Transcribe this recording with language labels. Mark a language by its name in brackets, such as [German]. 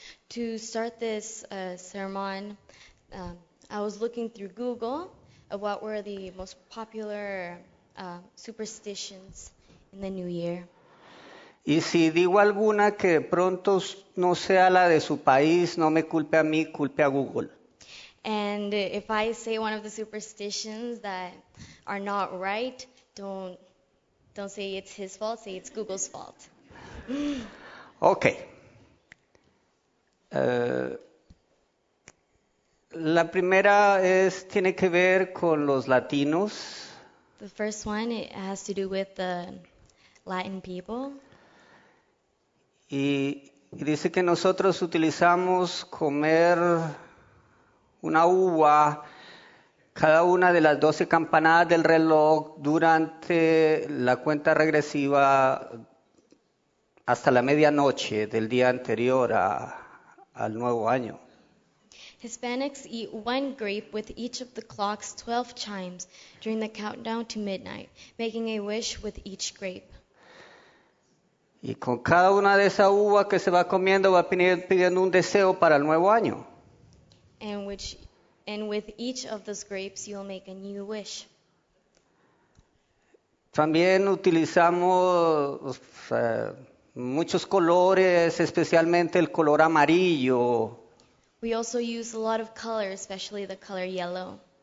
[English] To start this sermon, I was looking through Google of what were the most popular superstitions in the new year. [Spanish] Y si digo alguna que de pronto no sea la de su país, no me culpe a mí, culpe a Google. [English] And if I say one of the superstitions that are not right, don't say it's his fault, say it's Google's fault. Okay. [Spanish] La primera es tiene que ver con los latinos. [English] The first one, it has to do with the Latin people. [Spanish] Y dice que nosotros utilizamos comer una uva cada una de las 12 campanadas del reloj durante la cuenta regresiva hasta la medianoche del día anterior al nuevo año. [English] Hispanics eat one grape with each of the clock's 12 chimes during the countdown to midnight, making a wish with each grape. [Spanish] Y con cada una de esas uvas que se va comiendo va pidiendo un deseo para el nuevo año. [English] And with each of those grapes you'll make a new wish. [Spanish] También utilizamos muchos colores, especialmente el color amarillo. [English] We also use a lot of colors, especially the color yellow.